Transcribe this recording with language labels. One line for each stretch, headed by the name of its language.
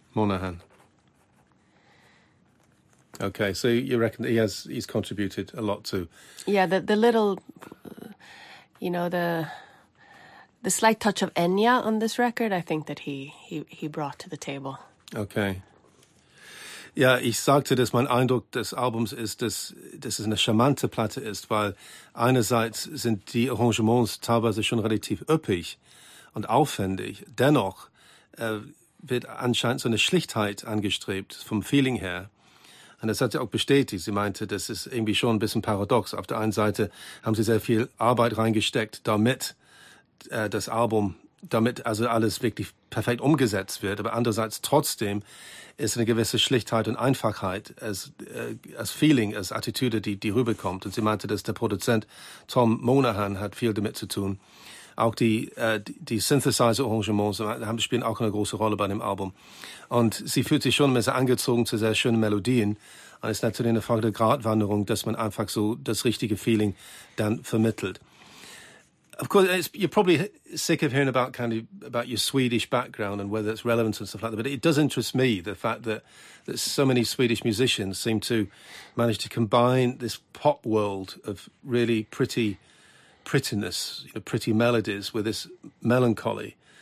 English: Monahan. Okay, so you reckon that he's contributed a lot to... Yeah, the little, you know, the slight touch of Enya on this record, I think that he brought to the table. Okay.
German: Ja, ich sagte, dass mein Eindruck des Albums ist, dass es eine charmante Platte ist, weil einerseits sind die Arrangements teilweise schon relativ üppig und aufwendig. Dennoch wird anscheinend so eine Schlichtheit angestrebt vom Feeling her. Und das hat sie auch bestätigt. Sie meinte, das ist irgendwie schon ein bisschen paradox. Auf der einen Seite haben sie sehr viel Arbeit reingesteckt, damit das Album, damit also alles wirklich perfekt umgesetzt wird. Aber andererseits trotzdem ist eine gewisse Schlichtheit und Einfachheit als Feeling, als Attitüde, die rüberkommt. Und sie meinte, dass der Produzent Tom Monahan hat viel damit zu tun. Auch die Synthesizer-Arrangements spielen auch eine große Rolle bei dem Album. Und sie fühlt sich schon ein bisschen angezogen zu sehr schönen Melodien. Und es ist natürlich eine Frage der Gratwanderung, dass man einfach so das richtige Feeling dann vermittelt.
English: Of course, you're probably sick of hearing about kind of about your Swedish background and whether it's relevant and stuff like that. But it does interest me, the fact that so many Swedish musicians seem to manage to combine this pop world of really pretty prettiness, you know, pretty melodies with this melancholy.